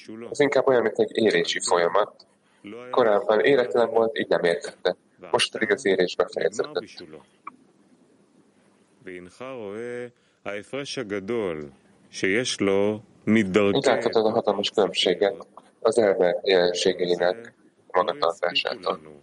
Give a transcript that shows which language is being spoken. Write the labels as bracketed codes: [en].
[hu] Az inkább olyan, mint egy érési folyamat. Korábban éretlen volt, így nem értette. Most pedig az érés befejeződött. [he] ואינך רואה ההפרש הגדול שיש לו מדרכי. [hu] Itt láthatod a hatalmas különbséget az elme jelenségeinek magatartásától.